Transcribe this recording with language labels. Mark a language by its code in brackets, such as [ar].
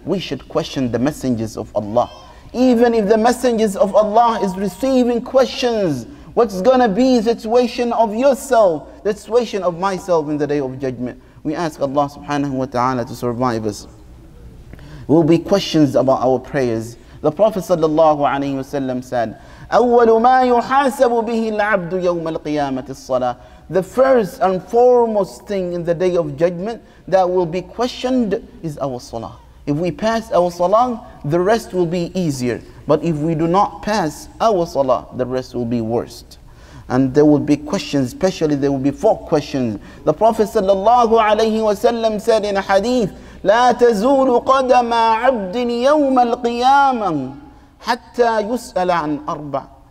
[en] We should question the messengers of Allah. Even if the messengers of Allah is receiving questions, what's going to be the situation of yourself, the situation of myself in the day of judgment? We ask Allah subhanahu wa ta'ala to survive us. Will be questions about our prayers. The Prophet sallallahu alayhi wa sallam said, [ar] أَوَّلُ مَا يُحَاسَبُ بِهِ الْعَبْدُ يَوْمَ الْقِيَامَةِ الصَّلَاةِ. [en] The first and foremost thing in the day of judgment that will be questioned is our salah. If we pass our salah, the rest will be easier. But if we do not pass our salah, the rest will be worse. And there will be questions, especially there will be four questions. The Prophet sallallahu alayhi wa sallam said in a hadith, [ar] لَا تَزُولُ قَدَمَا عَبْدٍ يَوْمَ الْقِيَامَةِ حَتَّى يُسْأَلَ عَنْ أَرْبَعٍ.